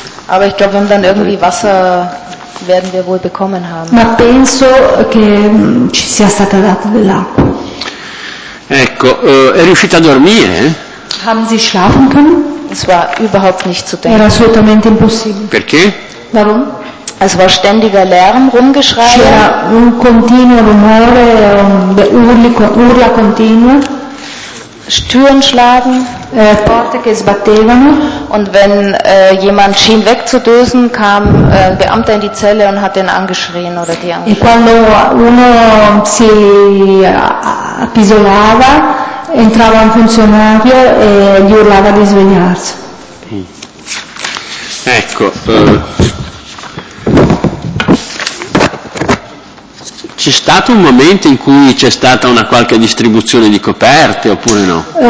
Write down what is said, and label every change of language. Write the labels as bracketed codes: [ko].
[de] aber ich glaube, wir haben dann irgendwie Wasser, werden wir wohl bekommen haben. [it] Ma penso che ci sia stata data dell'acqua. Ecco, è riuscita a dormire? [de] Haben Sie schlafen können? Es war überhaupt nicht zu denken. [it] Era assolutamente impossibile. Perché? [de] Warum? Es war ständiger Lärm, rumgeschrei. [it] C'era un continuo rumore, urla continua. [de] Türen schlagen, [it] Porte che sbattevano, [de] und wenn jemand schien wegzudösen, kam ein Beamter in die Zelle und hat den angeschrien oder die angeschrien. [it] E quando uno si appisolava, entrava un funzionario e gli urlava di svegliarsi. Ecco, c'è stato un momento in cui c'è stata una qualche distribuzione di coperte oppure no?